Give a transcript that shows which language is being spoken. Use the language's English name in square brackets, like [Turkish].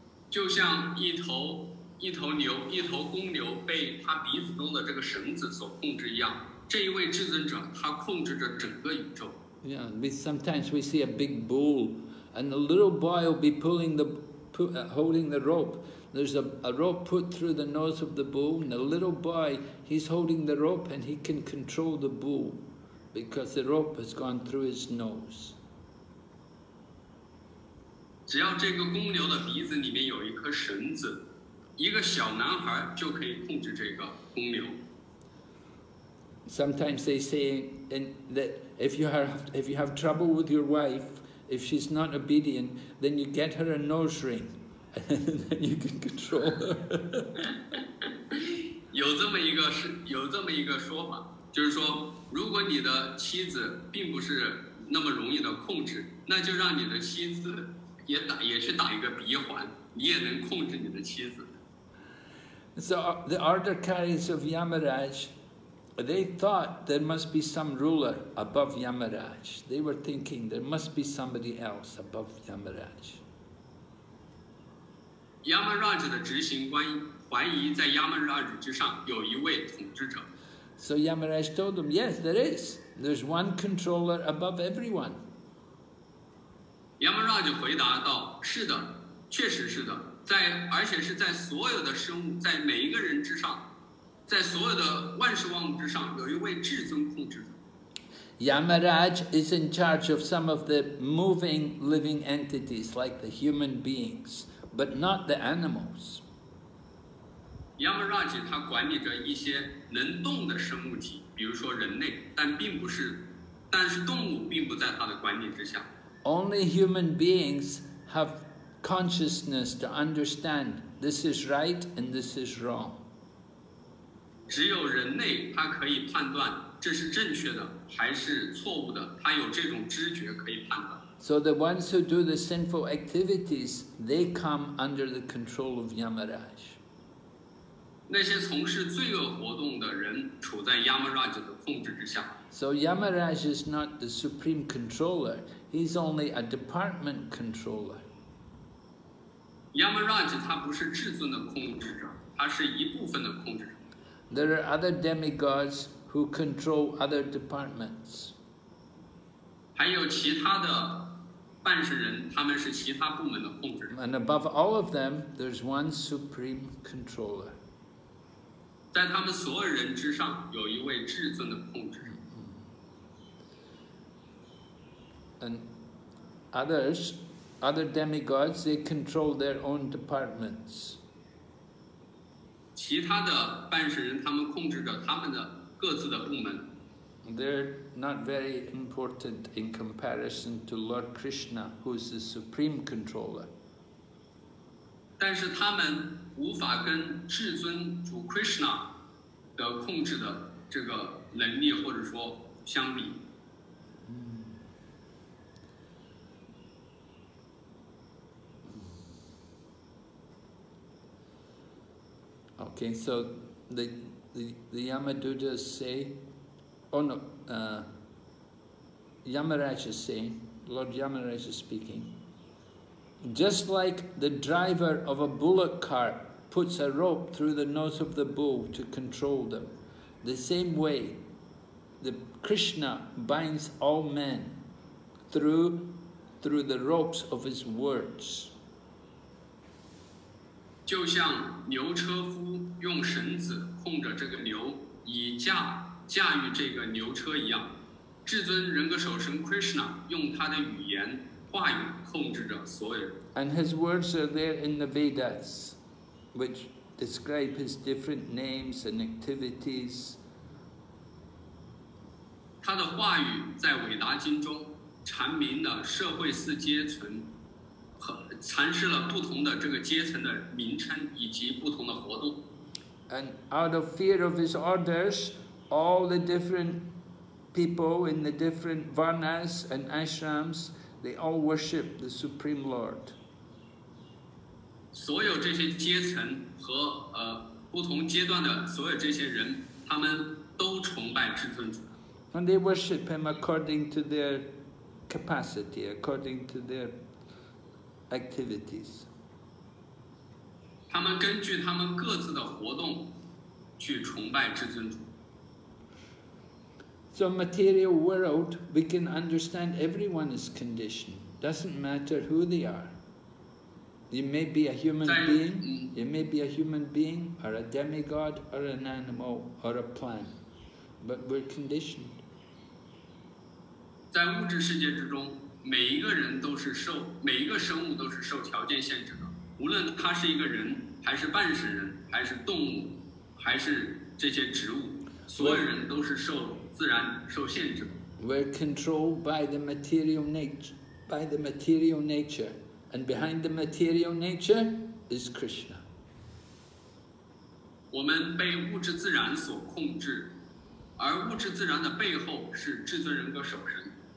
[Chinese] 就像一头公牛被他鼻子中的这个绳子所控制一样，这一位至尊者他控制着整个宇宙。 [English] Yeah, sometimes we see a big bull, and the little boy will be holding the rope. There's a rope put through the nose of the bull, and the little boy he's holding the rope, and he can control the bull because the rope has gone through his nose. [Chinese] 只要这个公牛的鼻子里面有一颗绳子。一个小男孩就可以控制这个公牛。 [English] Sometimes they say that if you have trouble with your wife, if she's not obedient, then you get her a nose ring, and then you can control her. [Chinese] 有这么一个说法，就是说，如果你的妻子并不是那么容易的控制，那就让你的妻子也去打一个鼻环，你也能控制你的妻子。 [English] So the ardor carriers of Yamaraj, they thought there must be some ruler above Yamaraj. They were thinking there must be somebody else above Yamaraj. [Chinese] Yamaraj 的执行官怀疑在 Yamaraj 之上有一位统治者。 [English] So Yamaraj told them, yes, there is. There's one controller above everyone. [Chinese] Yamaraj 回答道，是的，确实是的。而且是在所有的生物，在每一个人之上，在所有的万事万物之上，有一位至尊控制者。 [English] Yamaraj is in charge of some of the moving living entities, like the human beings, but not the animals. [Chinese] Yamaraj 他管理着一些能动的生物体，比如说人类，但是动物并不在他的管理之下。 [English] Only human beings have. Consciousness to understand this is right and this is wrong. [Chinese] 只有人类他可以判断这是正确的还是错误的，他有这种知觉可以判断。 [English] So the ones who do the sinful activities, they come under the control of Yamaraj. [Chinese] 那些从事罪恶活动的人处在 Yamaraj 的控制之下。 [English] So Yamaraj is not the supreme controller, he's only a department controller. [Chinese] Yamaraj 他不是至尊的控制者，他是一部分的控制者。 [English] There are other demigods who control other departments. [Chinese] 还有其他的半世人，他们是其他部门的控制者。 [English] And above all of them, there's one supreme controller. [Chinese] 在他们所有人之上，有一位至尊的控制者。 [English] And others. Other demigods, they control their own departments. [Chinese] 其他的半世人，他们控制着他们的各自的部门。 [English] They're not very important in comparison to Lord Krishna, who is the supreme controller. [Chinese] 但是他们无法跟至尊主 Krishna 的控制的这个能力或者说相比。 [English] Okay, so the Yamadutas say, Yamaraj is saying, Lord Yamaraj is speaking, just like the driver of a bullock cart puts a rope through the nose of the bull to control them, the same way the Krishna binds all men through the ropes of his words. [Chinese] 就像牛车夫用绳子控着这个牛，以驾驭这个牛车一样，至尊人格首神 Krishna 用他的语言话语控制着所有人。 [English] And his words are there in the Vedas, which describe his different names and activities. [Chinese] 他的话语在伟达经中阐明了社会四阶层。阐释了不同的这个阶层的名称以及不同的活动。 [English] And out of fear of his orders, all the different people in the different varnas and ashrams, they all worship the Supreme Lord. [Chinese] 所有这些阶层和不同阶段的所有这些人，他们都崇拜至尊主。 [English] And they worship him according to their capacity, according to their activities. [Chinese] 他们根据他们各自的活动去崇拜至尊主。 [English] So material world, we can understand everyone is conditioned. Doesn't matter who they are. You may be a human being, you may be a human being, or a demigod, or an animal, or a plant. But we're conditioned. [Chinese] 在物质世界之中，每一个人都是受，每一个生物都是受条件限制的，无论他是一个人，还是半神人，还是动物，还是这些植物，所有人都是受自然受限制的。 [English] We're controlled by the material nature, by the material nature, and behind the material nature is Krishna. [Chinese] 我们被物质自然所控制，而物质自然的背后是至尊人格首神。